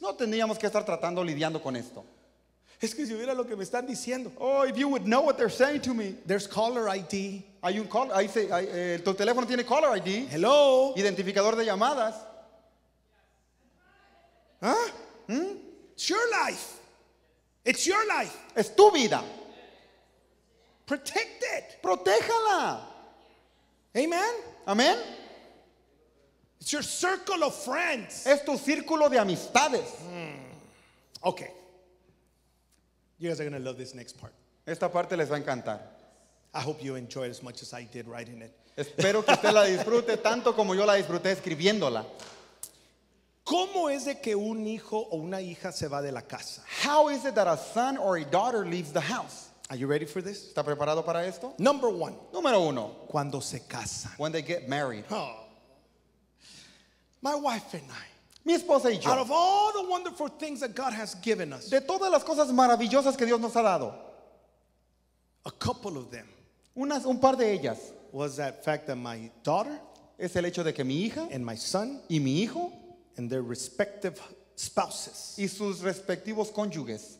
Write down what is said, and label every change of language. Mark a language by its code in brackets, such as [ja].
[es] No tendríamos que estar tratando lidiando con esto. Es que si hubiera lo que me están diciendo. [en] Oh, if you would know what they're saying to me. There's caller ID. [es] Hay un call. Ahí se. Tu teléfono tiene caller ID. [en] Hello. [es] Identificador de llamadas. Huh? Hmm? [en] It's your life. It's your life. [es] Es tu vida. [en] Protect it. [es] Protéjala. Amen. Amen. [en] It's your circle of friends. [es] Es tu círculo de amistades. [en] Okay. You guys are going to love this next part. [es] Esta parte les va a encantar. [en] I hope you enjoy it as much as I did writing it. [es] Espero que usted la disfrute tanto como yo la disfruté escribiéndola. ¿Cómo es de que un hijo o una hija se va de la casa? [en] How is it that a son or a daughter leaves the house? Are you ready for this? [es] ¿Está preparado para esto? [en] Number one. [es] Número uno. Cuando se casan. [en] When they get married. Oh. My wife and I. [es] Mi esposa y yo. [en] Out of all the wonderful things that God has given us. [es] De todas las cosas maravillosas que Dios nos ha dado. [en] A couple of them. [es] Un par de ellas. [en] Was that fact that my daughter. [es] Es el hecho de que mi hija. [en] And my son. [es] Y mi hijo. [en] And their respective spouses. [es] Y sus respectivos cónyuges.